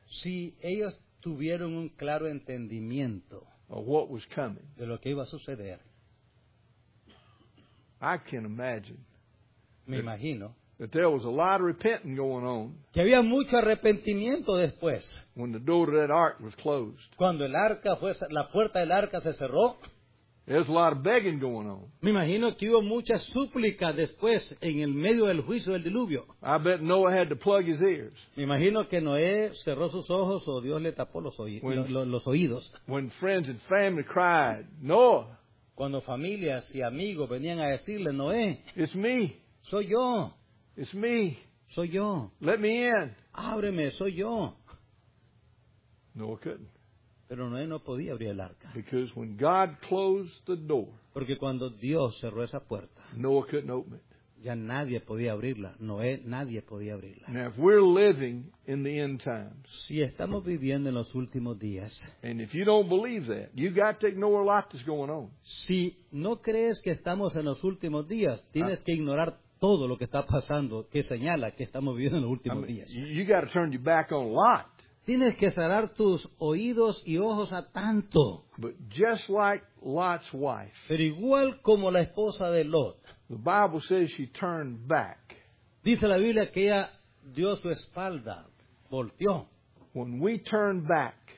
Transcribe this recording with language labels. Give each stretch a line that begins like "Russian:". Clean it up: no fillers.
Spanish: si ellos tuvieron un claro entendimiento
English: of what was coming,
Spanish: de lo que iba a suceder,
English: I can imagine.
Spanish: Me imagino
English: that there was a lot of repenting going on.
Spanish: Que había mucho arrepentimiento después.
English: When the door of that ark was closed,
Spanish: cuando el arca fue, la puerta del arca se cerró.
English: There's a lot of begging going on.
Spanish: Me imagino que hubo mucha súplica después en el medio del juicio del diluvio.
English: I bet Noah had to plug his ears.
Spanish: Me imagino que Noé cerró sus ojos o Dios le tapó los oídos.
English: When friends and family cried, Noah.
Spanish: Cuando familias y amigos venían a decirle, Noé.
English: It's me.
Spanish: Soy yo.
English: It's me.
Spanish: Soy yo.
English: Let me in.
Spanish: Ábreme, soy yo.
English: Noah couldn't.
Spanish: Pero Noé no podía abrir el arca.
English: Because when God closed the door,
Spanish: porque cuando Dios cerró esa puerta,
English: Noah couldn't open it.
Spanish: Ya nadie podía abrirla. Noé, nadie podía abrirla.
English: Now, if we're living in the end times,
Spanish: si estamos viviendo en los últimos días,
English: and if you don't believe that, you got to ignore a lot that's going on.
Spanish: Si no crees que estamos en los últimos días, tienes que ignorar todo lo que está pasando, que señala que estamos viviendo en los últimos días.
English: You got to turn your back on Lot.
Spanish: Tienes que cerrar tus oídos y ojos a tanto.
English: But just like Lot's wife,
Spanish: pero igual como la esposa de Lot,
English: the Bible says she turned back.
Spanish: Dice la Biblia que ella dio su espalda, volteó.
English: When we turn back,